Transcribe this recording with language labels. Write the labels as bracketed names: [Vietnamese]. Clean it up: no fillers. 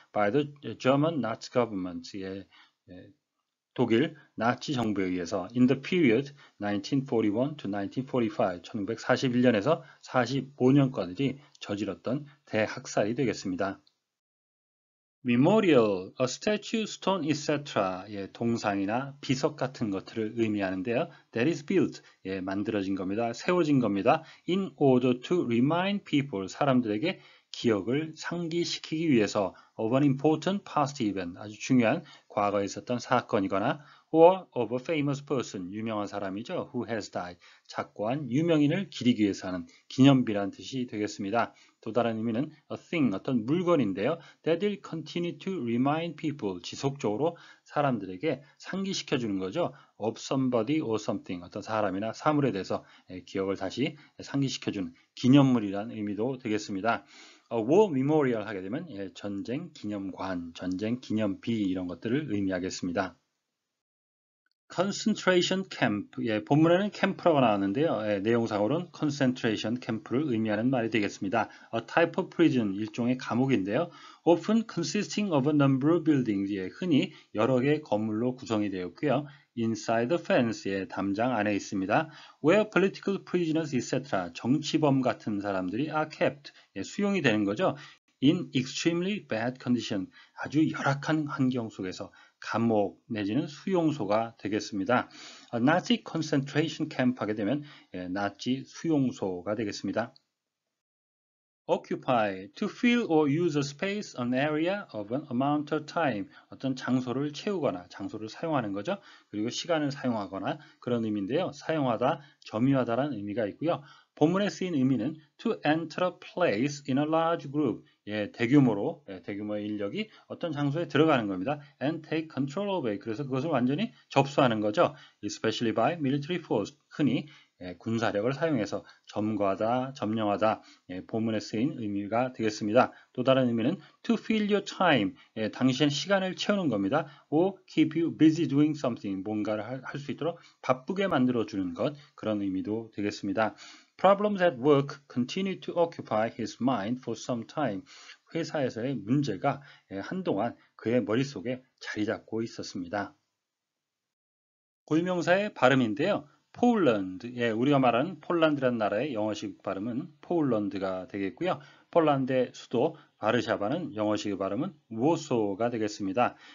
[English] By the German Nazi government, [Korean] 독일 나치 정부에 의해서 [English] in the period 1941 to 1945, [Korean] 1941년에서 45년까지 저질렀던 대학살이 되겠습니다. [English] memorial, a statue, stone, etc. [Korean] 예, 동상이나 비석 같은 것들을 의미하는데요. [English] That is built. [Korean] 예, 만들어진 겁니다. 세워진 겁니다. [English] In order to remind people, [Korean] 사람들에게 기억을 상기시키기 위해서. [English] Of an important past event, [Korean] 아주 중요한 과거에 있었던 사건이거나, [English] or of a famous person, [Korean] 유명한 사람이죠. [English] Who has died. [Korean] 작고한 유명인을 기리기 위해서 하는 기념비란 뜻이 되겠습니다. 또 다른 의미는 [English] a thing, [Korean] 어떤 물건인데요. [English] That will continue to remind people, [Korean] 지속적으로 사람들에게 상기시켜 주는 거죠. [English] Of somebody or something, [Korean] 어떤 사람이나 사물에 대해서 기억을 다시 상기시켜 주는 기념물이란 의미도 되겠습니다. [English] A war memorial [Korean] 하게 되면 전쟁 기념관, 전쟁 기념비 이런 것들을 의미하겠습니다. [English] Concentration camp. [Korean] 예, 본문에는 캠프라고 나왔는데요. 예, 내용상으로는 concentration camp를 의미하는 말이 되겠습니다. [English] A type of prison, [Korean] 일종의 감옥인데요. [English] Often consisting of a number of buildings. [Korean] 예, 흔히 여러 개의 건물로 구성이 되었고요. [English] Inside the fence, [Korean] 예, 담장 안에 있습니다. [English] Where political prisoners, etc. [Korean] 정치범 같은 사람들이 [English] are kept. [Korean] 예, 수용이 되는 거죠. [English] In extremely bad condition. [Korean] 아주 열악한 환경 속에서 감옥 내지는 수용소가 되겠습니다. [English] A Nazi concentration camp [Korean] 하게 되면 나치 수용소가 되겠습니다. [English] Occupy, to fill or use a space, an area of an amount of time. [Korean] 어떤 장소를 채우거나 장소를 사용하는 거죠. 그리고 시간을 사용하거나 그런 의미인데요. 사용하다, 점유하다라는 의미가 있고요. 본문에 쓰인 의미는 [English] to enter a place in a large group. [Korean] 예, 대규모로, 예, 대규모의 인력이 어떤 장소에 들어가는 겁니다. [English] And take control of it. [Korean] 그래서 그것을 완전히 접수하는 거죠. [English] Especially by military force. [Korean] 흔히 군사력을 사용해서 점거하다, 점령하다, 본문에 쓰인 의미가 되겠습니다. 또 다른 의미는 [English] to fill your time, [Korean] 당신의 시간을 채우는 겁니다. [English] Or keep you busy doing something, [Korean] 뭔가를 할수 있도록 바쁘게 만들어 주는 것, 그런 의미도 되겠습니다. [English] Problems at work continue to occupy his mind for some time. [Korean] 회사에서의 문제가 한동안 그의 머릿속에 자리 잡고 있었습니다. 고유명사의 발음인데요. 폴란드, 예, 우리가 말하는 폴란드란 나라의 영어식 발음은 폴란드가 되겠고요. 폴란드의 수도 바르샤바는 영어식 발음은 워소가 되겠습니다.